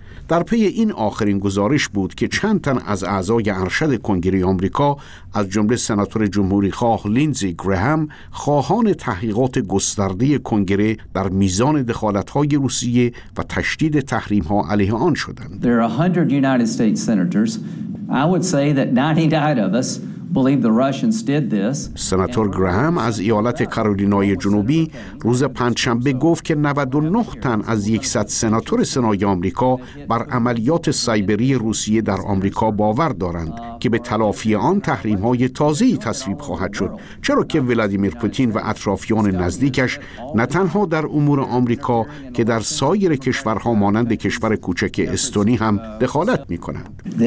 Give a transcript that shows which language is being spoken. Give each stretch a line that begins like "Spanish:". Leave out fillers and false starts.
Persian: در پی این آخرین گزارش بود که چند تن از اعضای ارشد کنگره آمریکا از جمله سناتور جمهوری خواه لینزی گراهام خواهان تحقیقات گسترده کنگره در میزان دخالت‌های روسیه و تشدید تحریم‌ها علیه آن شدند.
English: There are 100 United States senators. I would say that 99 of us believe the Russians did this.
Persian: سناتور گراهام از ایالت کارولینای جنوبی روز پنجشنبه گفت که 99 تن از 100 سناتور سنای آمریکا بر عملیات سایبری روسیه در آمریکا باور دارند که به تلافی آن تحریم‌های تازه‌ای تصویب خواهد شد، چرا که ولادیمیر پوتین و اطرافیان نزدیکش نه تنها در امور آمریکا که در سایر کشورها مانند کشور کوچک استونی هم دخالت می‌کنند.